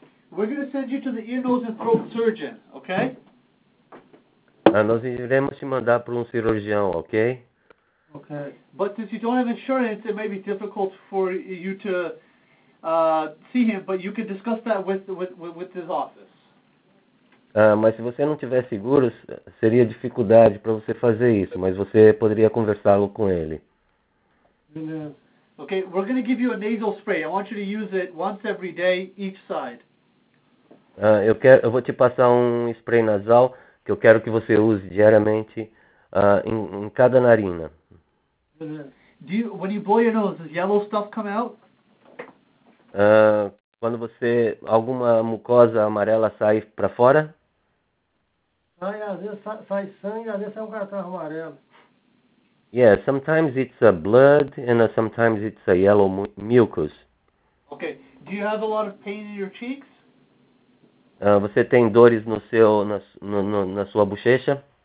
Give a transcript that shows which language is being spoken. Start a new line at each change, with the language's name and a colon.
English: We're going to send you to the ear, nose, and throat surgeon, okay?
Portuguese: Nós iremos te mandar para cirurgião, ok?
English: Okay. But since you don't have insurance, it may be difficult for you to see him, but you can discuss that with his office.
Portuguese: Mas se você não tiver seguro, seria dificuldade para você fazer isso, mas você poderia conversá-lo com ele.
English: Okay, we're going to give you a nasal spray. I want you to use it once every day, each side.
Portuguese: Eu vou te passar um spray nasal que eu quero que você use diariamente em cada narina.
English: When you blow your nose, does yellow stuff come out?
Portuguese: Quando você alguma mucosa amarela sai para fora? Sai, às vezes sai sangue, às vezes sai um catarro amarelo.
English: Yeah, sometimes it's a blood and sometimes it's a yellow mucus. Okay, do you have a lot of pain in your cheeks?
Portuguese: Você tem dores no seu, na sua bochecha?